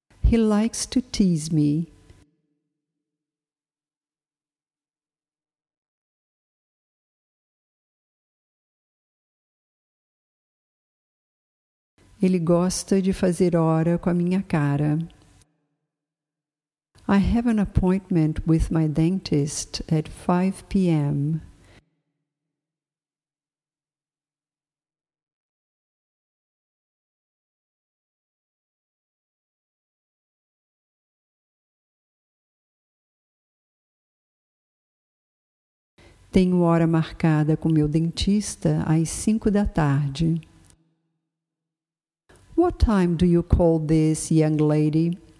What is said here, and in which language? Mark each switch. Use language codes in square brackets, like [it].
[en] He likes to tease me. [pt] Ele gosta de fazer hora com a minha cara. [en] I have an appointment with my dentist at 5 p.m. [pt] Tenho hora marcada com meu dentista às 5 da tarde. [en] What time do you call this young lady?